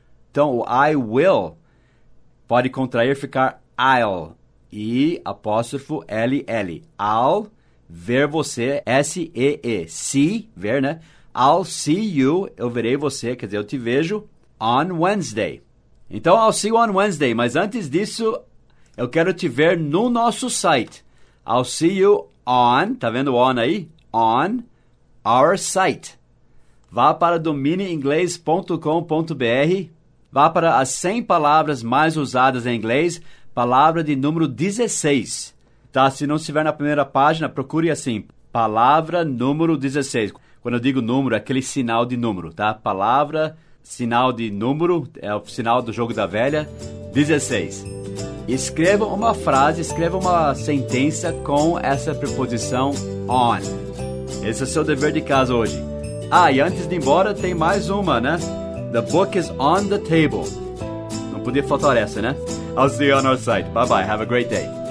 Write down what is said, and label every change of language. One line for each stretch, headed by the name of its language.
Portuguese: Então, o I will pode contrair e ficar I'll, I apóstrofo L-L. I'll ver você, S-E-E. See, ver, né?
English: I'll see you,
Portuguese: eu verei você, quer dizer, eu te vejo,
English: on Wednesday.
Portuguese: Então,
English: I'll see you on Wednesday,
Portuguese: mas antes disso, eu quero te ver no nosso site.
English: I'll see you on,
Portuguese: tá vendo o on aí?
English: On our site.
Portuguese: Vá para dominiinglês.com.br. Vá para as 100 palavras mais usadas em inglês, palavra de número 16. Tá? Se não estiver na primeira página, procure assim, palavra número 16. Quando eu digo número, é aquele sinal de número, tá? Palavra, sinal de número, é o sinal do jogo da velha, 16. Escreva uma frase, escreva uma sentença com essa preposição on. Esse é o seu dever de casa hoje. Ah, e antes de ir embora, tem mais uma, né?
English: The book is on the table.
Portuguese: Não podia faltar essa, né?
English: I'll see you on our site. Bye-bye. Have a great day.